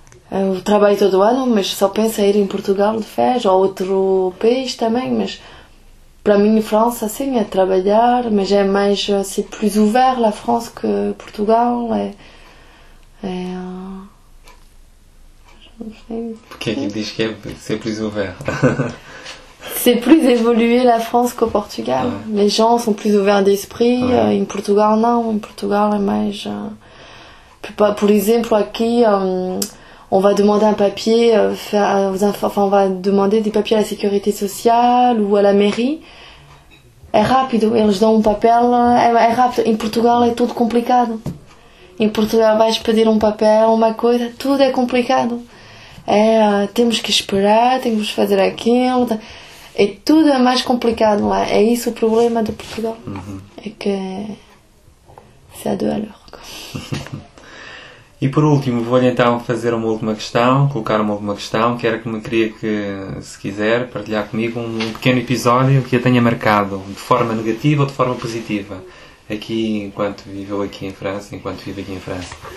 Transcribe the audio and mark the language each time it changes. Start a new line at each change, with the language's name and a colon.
Portuguese: Eu trabalho todo ano, mas só penso em ir em Portugal de férias, ou outro país também, mas para mim em França, sim, é trabalhar, mas é mais,
French: c'est plus ouvert la France que Portugal.
Portuguese: Não sei. Que é que diz que é ser
French: plus ouvert? C'est plus évolué la France qu'au Portugal. Ah. Les gens sont plus ouverts d'esprit. Ah. En Portugal, non. En Portugal, mais. Par exemple, ici, on va demander un papier, enfin, on va demander des papiers à la sécurité sociale ou à la mairie. Est rapide. Ils donnent un papier. Est rapide. En Portugal, c'est tout compliqué. En Portugal,
Portuguese: vais pedir
French: un papier, une chose, tout est compliqué.
Portuguese: Temos que esperar, temos que fazer aquilo. É tudo mais complicado lá. É isso o problema de Portugal. É que
French: c'est à deux à l'heure.
Portuguese: E por último, vou-lhe então fazer uma última questão, colocar uma última questão, que era que me queria que, se quiser, partilhar comigo um pequeno episódio que a tenha marcado, de forma negativa ou de forma positiva, aqui enquanto viveu aqui em França, enquanto vive aqui em França.